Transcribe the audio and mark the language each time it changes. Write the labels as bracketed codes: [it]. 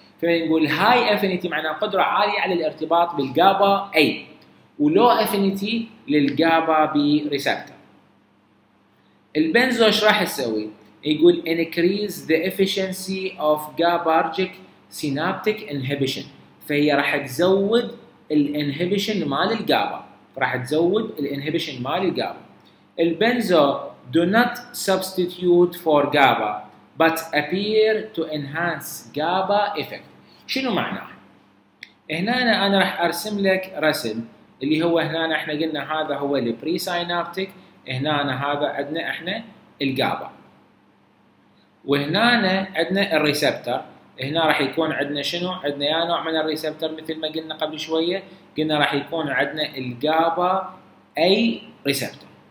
[ar] فنقول هاي افينيتي معناها قدرة عالية على الارتباط بالجابا اي، ولو افينيتي للجابا بي ريسبتر. البنزو ايش راح يسوي؟ يقول [en] increase the efficiency of GABAergic synaptic inhibition، [ar] فهي راح تزود الانهبيشن مال الجابا، راح تزود الانهبيشن مال الجابا. [en] البنزو do not substitute for GABA but appear to enhance GABA effect. [ar] شنو معناه؟ هنا انا راح ارسم لك رسم اللي هو هنا احنا قلنا هذا هو البري سينابتيك، هنا هذا عندنا احنا الجابا، وهنا عندنا الريسبتر. هنا راح يكون عندنا شنو؟ عندنا يا نوع من الريسبتر مثل ما قلنا قبل شويه، قلنا راح يكون عندنا الجابا اي ريسبتر.